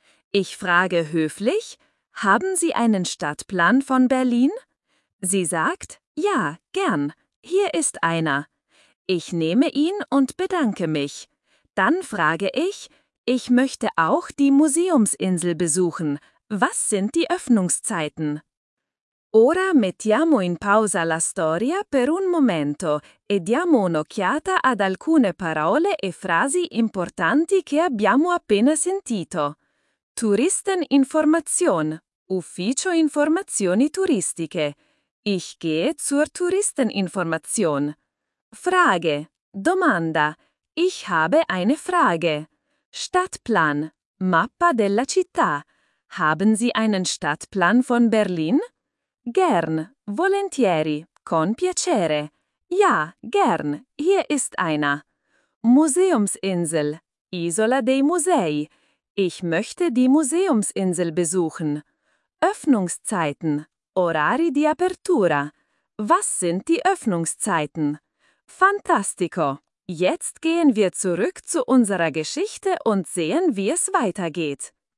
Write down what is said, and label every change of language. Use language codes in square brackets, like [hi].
[de] Ich frage höflich: Haben Sie einen Stadtplan von Berlin? Sie sagt: Ja, gern. Hier ist einer. Ich nehme ihn und bedanke mich. Dann frage ich: Ich möchte auch die Museumsinsel besuchen. Was sind die Öffnungszeiten? [it] Ora mettiamo in pausa la storia per un momento e diamo un'occhiata ad alcune parole e frasi importanti che abbiamo appena sentito. Touristeninformation, Ufficio Informazioni Turistiche. [de] Ich gehe zur Touristeninformation. Frage, Domanda. Ich habe eine Frage. [it] Stadtplan, Mappa della città. [de] Haben Sie einen Stadtplan von Berlin? [it] Gern, volentieri, con piacere. [de] Ja, gern, hier ist einer. Museumsinsel, [it] Isola dei Musei. [de] Ich möchte die Museumsinsel besuchen. Öffnungszeiten, [it] Orari di apertura. [de] Was sind die Öffnungszeiten? Fantastico! Jetzt gehen wir zurück zu unserer Geschichte und sehen, wie es weitergeht.